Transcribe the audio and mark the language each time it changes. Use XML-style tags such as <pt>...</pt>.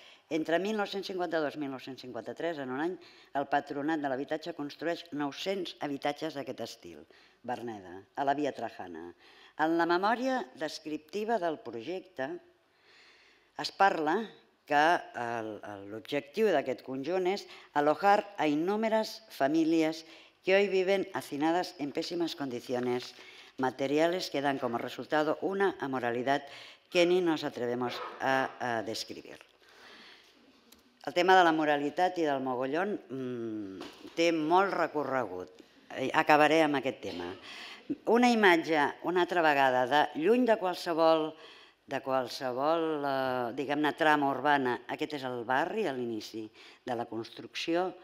<ca>Entre 1952 i 1953, en un any, el patronat de l'habitatge construeix 900 habitatges d'aquest estil, Berneda, a la Via Trajana. En la memòria descriptiva del projecte es parla que l'objectiu d'aquest conjunt és</ca> <es>alojar a</es> <ca>innúmeres famílies</ca> <es>que hoy viven hacinadas en pésimas condiciones materiales que dan como resultado una amoralidad que ni nos atrevemos a describir.</es> <ca>El tema de la moralitat i del mogollón té molt recorregut. Acabaré amb aquest tema. Una imatge, una altra vegada, de lluny de qualsevol diguem-ne, trama urbana. Aquest és el barri a l'inici de la construcció.</ca>